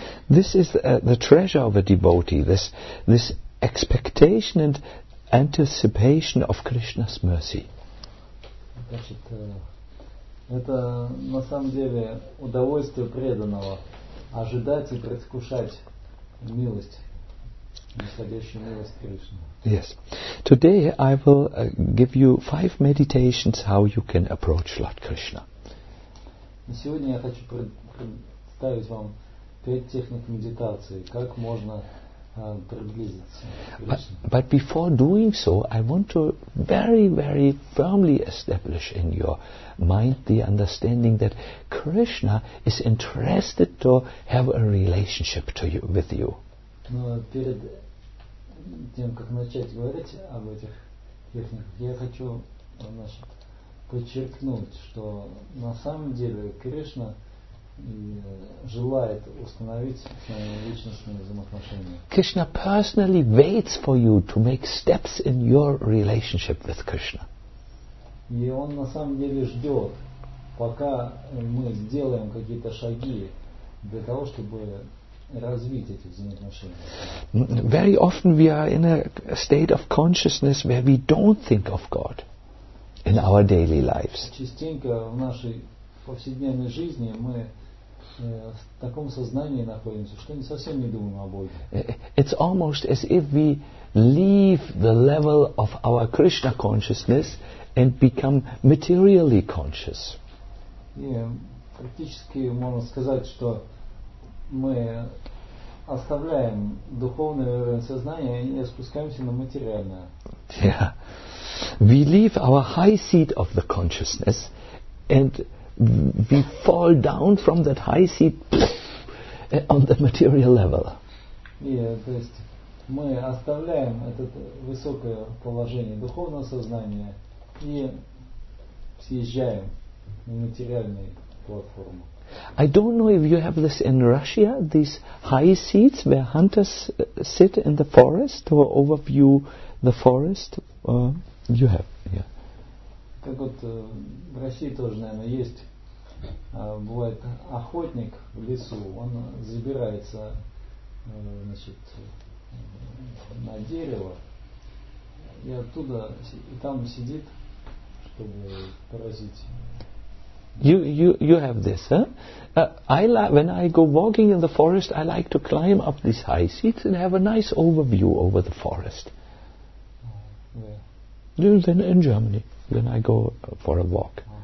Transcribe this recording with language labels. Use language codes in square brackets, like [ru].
[en] This is the treasure of a devotee, this expectation and anticipation of Krishna's mercy. [ru] Значит, это на самом деле удовольствие преданного ожидать и предвкушать милость, нисходящую милость Кришны. [en] Yes. Today I will give you 5 meditations how you can approach Lord Krishna. [ru] Сегодня я хочу представить вам 5 техник медитации, как можно приблизиться к Кришне. [en] But before doing so, I want to very, very firmly establish in your mind the understanding that Krishna is interested to have a relationship to you, with you. [ru] Но перед тем, как начать говорить об этих техниках, я хочу подчеркнуть, что на самом деле Кришна желает установить с нами личностные взаимоотношения. [en] Krishna personally waits for you to make steps in your relationship with Krishna. [ru] И он на самом деле ждет, пока мы сделаем какие-то шаги для того, чтобы развить эти взаимоотношения. [en] Very often we are in a state of consciousness where we don't think of God in our daily lives. [ru] Частенько в нашей повседневной жизни мы в таком сознании находимся, что не совсем не думаем о Боге. [en] It's almost as if we leave the level of our Krishna consciousness and become materially conscious. [ru] И практически можно сказать, что мы оставляем духовное уровень сознания и спускаемся на материальное. [en] Yeah. We leave our high seat of the consciousness and we fall down from that high seat on the material level. [ru] Yeah, то есть мы оставляем это высокое положение духовного сознания и съезжаем на материальную платформу. [en] I don't know if you have this in Russia, these high seats where hunters sit in the forest to overview the forest. You have, yeah. [ru] Как вот в России тоже, наверное, есть, бывает охотник в лесу, он забирается, значит, на дерево и оттуда и там сидит, чтобы поразить. [en] You have this, huh? When I go walking in the forest, I like to climb up these high seats and have a nice overview over the forest. Yeah. Then in Germany, then I go for a walk.